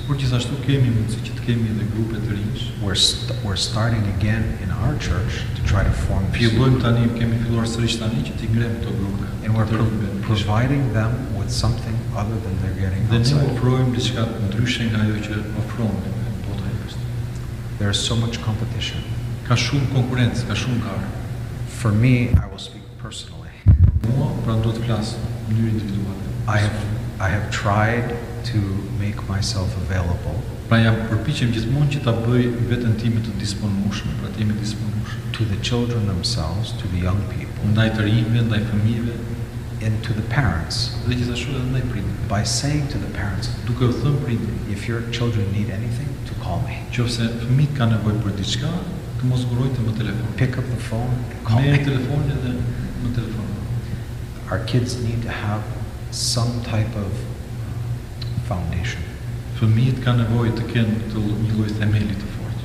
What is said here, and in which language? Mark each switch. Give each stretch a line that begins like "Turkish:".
Albanian: Por gjithashtu kemi mundësi që të kemi edhe grupe të rinj.
English: We're starting again in our church to try to form.
Albanian: Fillojm tani, kemi filluar sërish tani që t'i ngrem këto grupe.
English: And we're providing them with something other than they're getting outside.
Albanian: Dhe ne ofrojmë diçka ndryshe nga ajo që ofrojnë bota jashtë.
English: There's so much competition.
Albanian: Ka shumë konkurrencë, ka shumë garë.
English: For me, I will speak personally.
Albanian: Mua, pra do të flas në mënyrë individuale.
English: I have tried to make myself available.
Albanian: Pra jam përpiqem gjithmonë që ta bëj veten time të disponueshme, pra të jemi disponueshëm
English: to the children themselves, to the young people,
Albanian: ndaj të rinjve, ndaj fëmijëve,
English: and to the parents.
Albanian: Dhe gjithashtu edhe ndaj prindërve.
English: By saying to the parents,
Albanian: duke u thënë prindërit,
English: if your children need anything, to call me.
Albanian: Nëse fëmijët kanë nevojë për diçka, të mos zgurojnë të më telefonojnë.
English: Pick up the phone and call me.
Albanian: Merr telefonin dhe më telefono.
English: Our kids need to have some type of foundation. For me, it
Albanian: kanë nevojë të kenë këtë një lloj themeli të fortë.